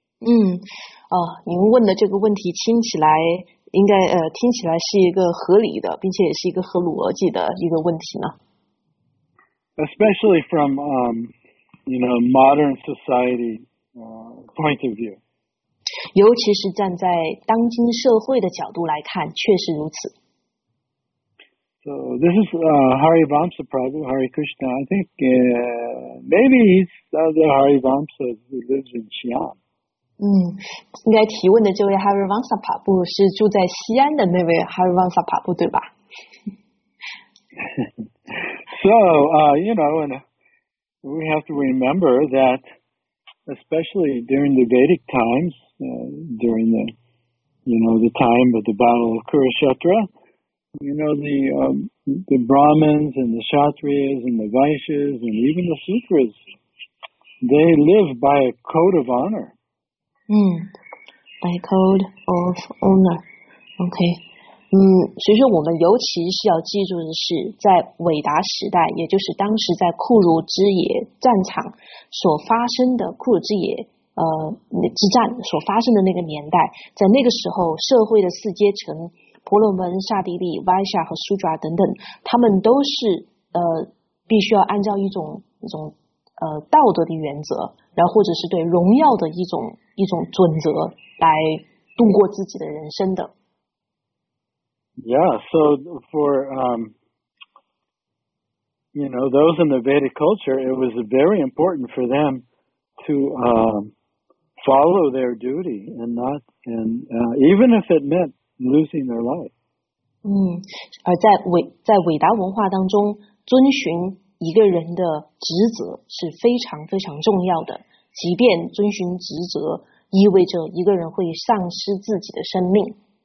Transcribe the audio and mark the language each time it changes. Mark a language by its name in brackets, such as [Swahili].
[Chinese] 您问的这个问题听起来应该听起来是一个合理的，并且也是一个合逻辑的一个问题呢。 [English] Especially from, modern society point of view. [Chinese] 尤其是站在当今社会的角度来看，确实如此。 [English] So this is Harivamsa Prabhu, Hare Krishna. I think maybe he's the Harivamsa who lives in Xi'an. [Chinese] 应该提问的这位 Harivamsa Prabhu 是住在西安的那位 Harivamsa Prabhu 对吧？ [English] So, and we have to remember that especially during the Vedic times, during the time of the Battle of Kurukshetra,the Brahmins and the Kshatriyas and the Vaishyas and even the Sutras, they live by a code of honor. By code of honor. Okay. [Chinese] 所以说我们尤其是要记住的是在伟达时代，也就是当时在库鲁之野战场所发生的库鲁之野之战所发生的那个年代，在那个时候社会的四阶层，婆罗门、刹帝利、歪夏和苏爪等等，他们都是必须要按照一种道德的原则，然后或者是对荣耀的一种准则来度过自己的人生的。 [English] Yeah, so for those in the Vedic culture, it was very important for them to follow their duty and not and even if it meant. Losing their life. [Chinese] 而在伟达文化当中，遵循一个人的职责是非常非常重要的，即便遵循职责意味着一个人会丧失自己的生命。